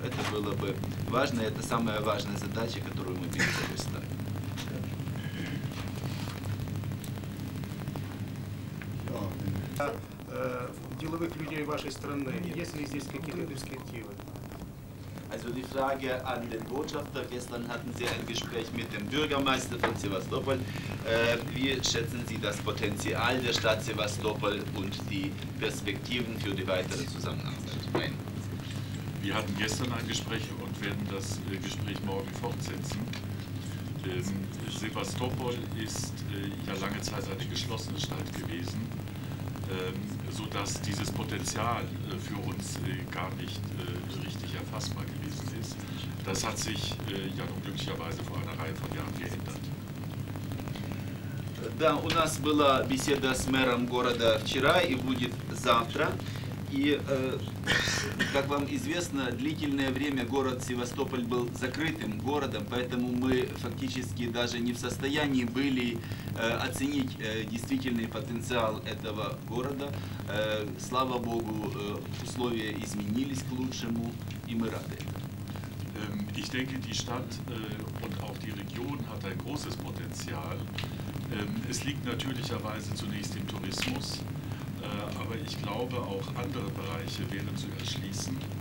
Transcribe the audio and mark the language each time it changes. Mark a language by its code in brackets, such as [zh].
[ru] Это было бы важно, это самая важная задача, которую мы перед собой ставим. Деловых людей вашей страны, есть ли здесь какие-то перспективы? А [de] Also die Frage an den Botschafter. Gestern hatten Sie ein Gespräch mit dem Bürgermeister von Sevastopol. Wie schätzen Sie das Potenzial der Stadt Sevastopol und die Perspektiven für die weitere Zusammenarbeit? Nein. Wir hatten gestern ein Gespräch und werden das Gespräch morgen fortsetzen. Sevastopol ist ja lange Zeit eine geschlossene Stadt gewesen, sodass dieses Potenzial für uns gar nicht richtig erfassbar gewesen ist. Das hat sich ja nun glücklicherweise vor einer Reihe von Jahren geändert. [ru] Да, у нас была беседа с мэром города вчера и будет завтра. И, как вам известно, длительное время город Севастополь был закрытым городом, поэтому мы фактически даже не в состоянии были оценить действительный потенциал этого города. Слава Богу, условия изменились к лучшему, и мы рады. [de] Ich denke, die Stadt und auch die Region hat ein großes Potenzial. Es liegt natürlicherweise zunächst im Tourismus. Aber ich glaube, auch andere Bereiche wären zu erschließen.